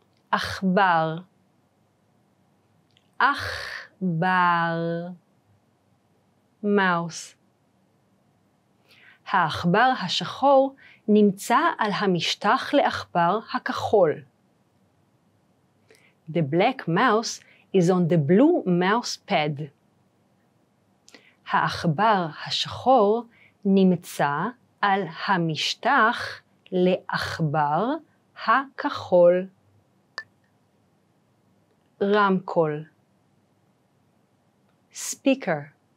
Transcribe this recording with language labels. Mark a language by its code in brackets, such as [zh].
[he] עכבר. עכבר. [en] מאוס. [he] העכבר השחור נמצא על המשטח לעכבר הכחול. [en] The black mouse is on the blue mouse pad. [he] העכבר השחור נמצא על המשטח לעכבר הכחול. רמקול. [en] Speaker.